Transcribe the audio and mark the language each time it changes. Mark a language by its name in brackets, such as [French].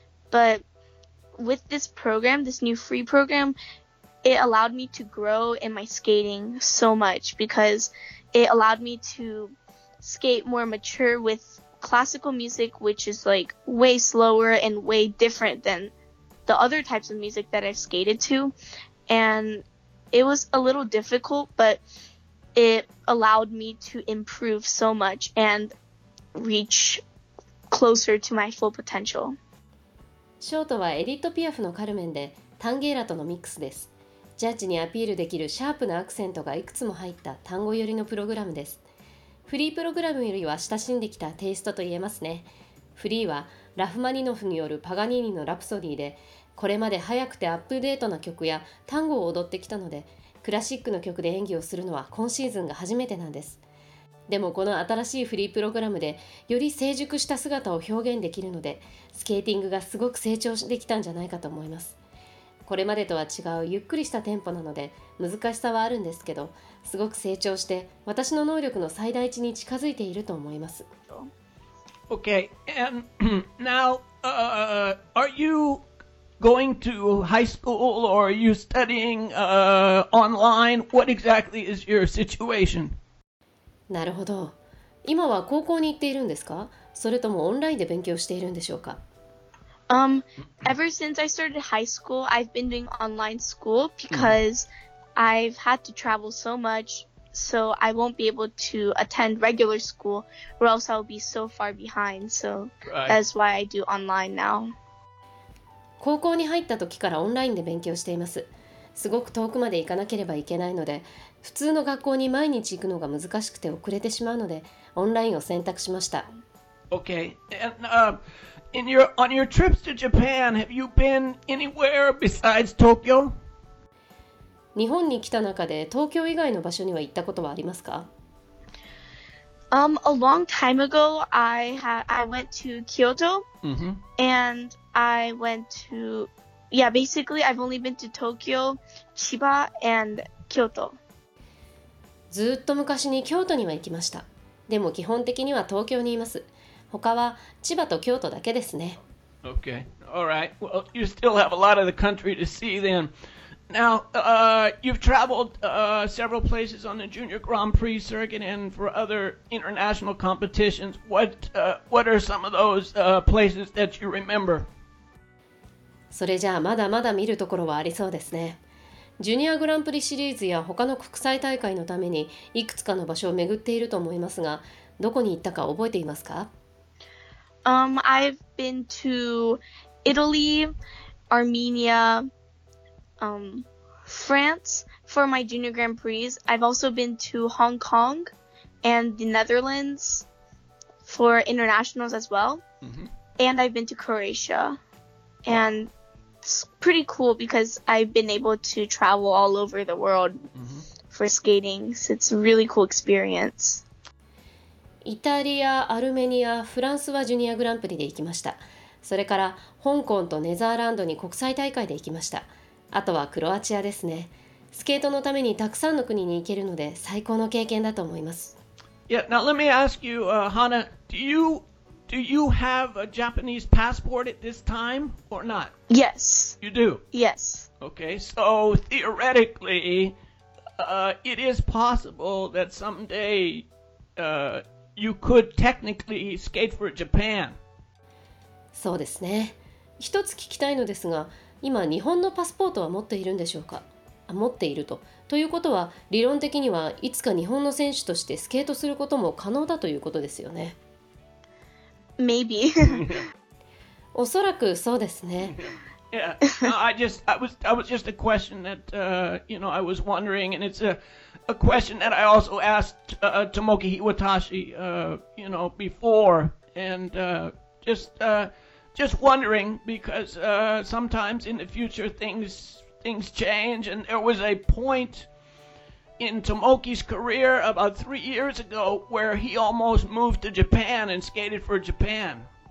[English] But with this program, this new free program, it allowed me to grow in my skating so much because it allowed me to skate more mature with classical music, which is like way slower and way different than the other types of music that I've skated to. And it was a little difficult, but it allowed me to improve so much and reach closer to my full potential. [Japanese] ショートはエディット・ピアフのカルメンで、タンゲーラとのミックスです。ジャッジにアピールできるシャープなアクセントがいくつも入った単語寄りのプログラムです。フリープログラムよりは親しんできたテイストと言えますね。フリーはラフマニノフによるパガニーニのラプソディで、これまで早くてアップデートな曲や単語を踊ってきたので、クラシックの曲で演技をするのは今シーズンが初めてなんです。でもこの新しいフリープログラムで、より成熟した姿を表現できるので、スケーティングがすごく成長できたんじゃないかと思います。これまでとは違うゆっくりしたテンポなので、難しさはあるんですけど、すごく成長して、私の能力の最大値に近づいていると思います。 [English] Okay, and now, are you going to high school or are you studying online? What exactly is your situation? [Japanese] なるほど。今は高校に行っているんですか？それともオンラインで勉強しているんでしょうか？ [English] Ever since I started high school, I've been doing online school because I've had to travel so much, so I won't be able to attend regular school or else I'll be so far behind, so that's why I do online now. [Japanese] 高校に入った時からオンラインで勉強しています。すごく遠くまで行かなければいけないので、普通の学校に毎日行くのが難しくて遅れてしまうので、オンラインを選択しました。 [English] Okay. And, On your trips to Japan, have you been anywhere besides Tokyo? [Japanese] 日本に来た中で東京以外の場所には行ったことはありますか？ [English] A long time ago, I went to Kyoto. Mm-hmm. And I went to... Yeah, basically, I've only been to Tokyo, Chiba, and Kyoto. [Japanese] ずっと昔に京都には行きました。でも基本的には東京にいます。他は千葉と京都だけですね。 [English] Okay, all right. Well, you still have a lot of the country to see then. Now, you've traveled several places on the Junior Grand Prix circuit and for other international competitions. What are some of those places that you remember? [Japanese] それじゃあまだまだ見るところはありそうですね。ジュニアグランプリシリーズや他の国際大会のためにいくつかの場所を巡っていると思いますが、どこに行ったか覚えていますか？ [English] I've been to Italy, Armenia, France for my Junior Grand Prix. I've also been to Hong Kong and the Netherlands for internationals as well. Mm-hmm. And I've been to Croatia. And it's pretty cool because I've been able to travel all over the world mm-hmm. for skating. So it's a really cool experience. [Japanese] イタリア、アルメニア、フランスはジュニアグランプリで行きました。それから香港とネザーランドに国際大会で行きました。あとはクロアチアですね。スケートのためにたくさんの国に行けるので最高の経験だと思います。 [English] Yeah, now let me ask you, Hana, do you have a Japanese passport at this time or not? Yes. You do? Yes. Okay, so theoretically, it is possible that someday, You could technically skate for Japan. [Japanese] そうですね。一つ聞きたいのですが、今日本のパスポートは持っているんでしょうか？持っているとということは理論的にはいつか日本の選手としてスケートすることも可能だということですよね [English] Maybe [Japanese] おそらくそうですね [English] Yeah, I was just a question that, you know, I was wondering and it's a question that I also asked Tomoki Iwatashi, you know, before and just wondering because sometimes in the future things change and there was a point in Tomoki's career about 3 years ago where he almost moved to Japan and skated for Japan.